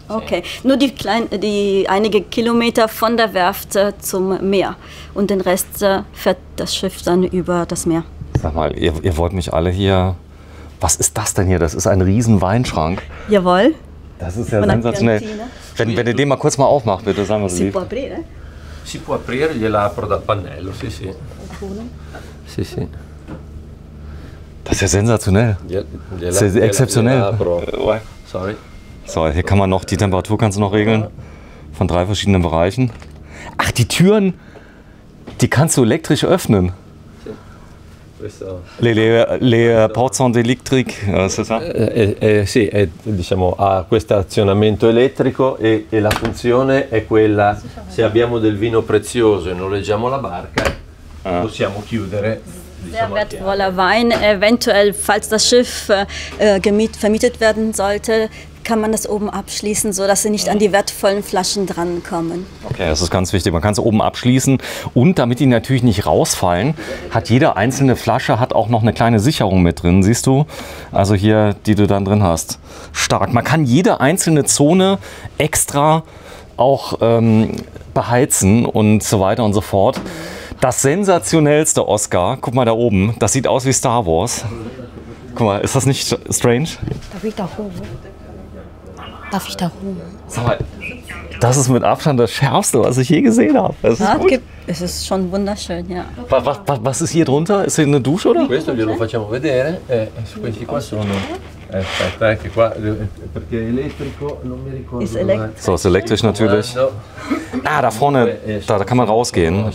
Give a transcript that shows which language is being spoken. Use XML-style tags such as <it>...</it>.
<it>Ok, sì.</it> <de>Nur die einige Kilometer von der Werft zum Meer und den Rest fährt das Schiff dann über das Meer. Sag mal, ihr wollt mich alle hier... Was ist das denn hier? Das ist ein riesen Weinschrank. Jawohl. Das ist ja sensationell. Wenn ihr den mal kurz mal aufmacht, bitte, sagen wir es lieb.</de> <it>Si può aprire? Si può aprire, gliela apro dal pannello, sì, sì. Sì, sì.</it> <de>Das ist ja sensationell. Gliela, exzeptionell.</de> <en>Sorry.</en> <de>So, hier kann man noch, die Temperatur kannst du noch regeln. Von drei verschiedenen Bereichen. Ach, die Türen, die kannst du elektrisch öffnen. Le porzioni elettriche, sì, diciamo, ha questo azionamento elettrico e la funzione è quella, se abbiamo del vino prezioso e noleggiamo la barca, possiamo chiudere. Sehr wertvoller Wein, eventuell, falls das Schiff vermietet werden sollte, kann man das oben abschließen, sodass sie nicht an die wertvollen Flaschen drankommen. Okay, das ist ganz wichtig. Man kann es oben abschließen und damit die natürlich nicht rausfallen, hat jede einzelne Flasche hat auch noch eine kleine Sicherung mit drin, siehst du? Also hier, die du dann drin hast. Stark. Man kann jede einzelne Zone extra auch beheizen und so weiter und so fort. Das sensationellste Oscar, guck mal da oben, das sieht aus wie Star Wars. Guck mal, ist das nicht strange? Darf ich da hoch? Darf ich da hoch? Sag mal, das ist mit Abstand das Schärfste, was ich je gesehen habe. Es ist, gut. Es ist schon wunderschön, ja. Was ist hier drunter? Ist hier eine Dusche oder?</de> <it>Questo glielo facciamo vedere. Questi qua sono. Aspetta, anche qua. Perché elettrico, non mi ricordo.</it> <de>Ist elektrisch. So, ist elektrisch natürlich. Ah, da vorne, da kann man rausgehen.</de>